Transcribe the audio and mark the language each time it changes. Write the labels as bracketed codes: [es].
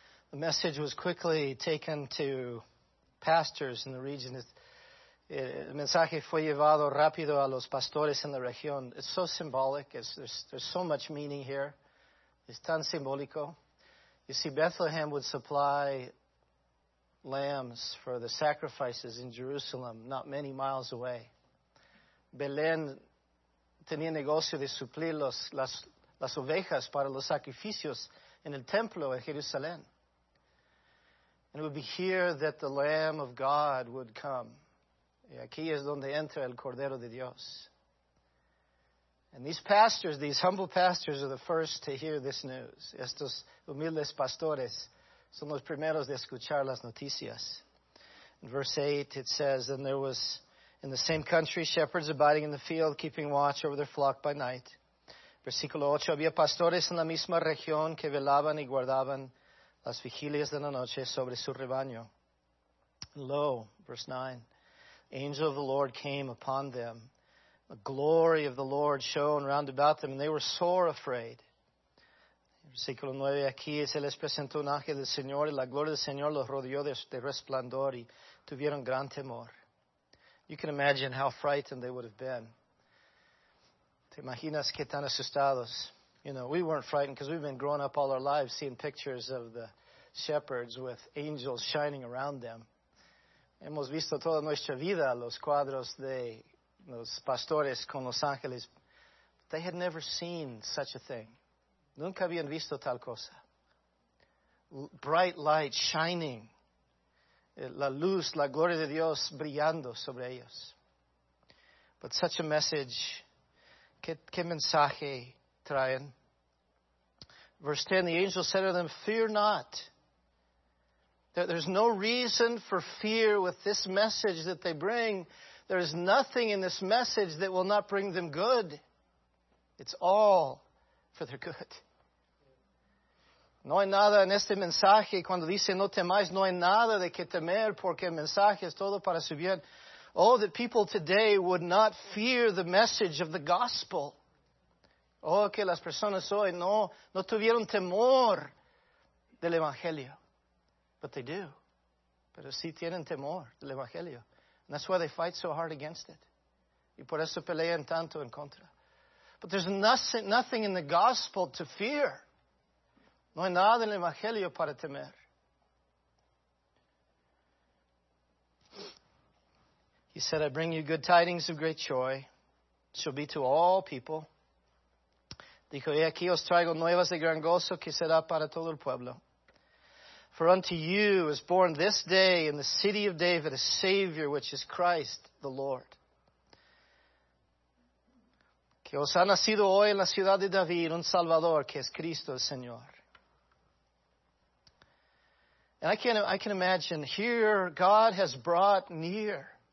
[en] The message was quickly taken to pastors in the region. [es] El mensaje fue llevado rápido a los pastores en la región. [en] It's so symbolic. There's so much meaning here. It's [es] tan simbólico. [en] You see, Bethlehem would supply lambs for the sacrifices in Jerusalem, not many miles away. [es] Belén tenía negocio de suplir las ovejas para los sacrificios en el templo en Jerusalén. [en] And it would be here that the Lamb of God would come. [es] Y aquí es donde entra el Cordero de Dios. [en] And these pastors, these humble pastors, are the first to hear this news. [es] Estos humildes pastores son los primeros de escuchar las noticias. [en] In verse 8, it says, "Then there was in the same country shepherds abiding in the field, keeping watch over their flock by night." [es] Versículo 8, había pastores en la misma región que velaban y guardaban las vigilias de la noche sobre su rebaño. [en] Lo, verse 9, angel of the Lord came upon them. The glory of the Lord shone round about them, and they were sore afraid. [es] Versículo 9, aquí se les presentó un ángel del Señor, y la gloria del Señor los rodeó de resplandor, y tuvieron gran temor. [en] You can imagine how frightened they would have been. [es] Te imaginas que tan asustados. [en] You know, we weren't frightened because we've been growing up all our lives seeing pictures of the shepherds with angels shining around them. [es] Hemos visto toda nuestra vida los cuadros de los pastores con los ángeles. [en] They had never seen such a thing. [es] Nunca habían visto tal cosa. [en] Bright light shining. [es] La luz, la gloria de Dios brillando sobre ellos. [en] But such a message, [es] ¿qué mensaje traen? [en] Verse 10, the angel said to them, "Fear not." There's no reason for fear with this message that they bring. There is nothing in this message that will not bring them good. It's all for their good. [es] No hay nada en este mensaje, cuando dice no temáis, no hay nada de que temer, porque el mensaje es todo para su bien. [en] Oh, that people today would not fear the message of the gospel. [es] Oh, que las personas hoy no tuvieron temor del evangelio. [en] But they do. [es] Pero sí tienen temor del evangelio. [en] And that's why they fight so hard against it. [es] Y por eso pelean tanto en contra. [en] But there's nothing in the gospel to fear. [es] No hay nada en el evangelio para temer. [en] He said, "I bring you good tidings of great joy. It shall be to all people." [es] Dijo, "Y aquí os traigo nuevas de gran gozo que será para todo el pueblo. [en] For unto you is born this day in the city of David a Savior, which is Christ the Lord. [es] Que os ha nacido hoy en la ciudad de David un Salvador, que es Cristo el Señor." [en] And I can imagine here God has brought near.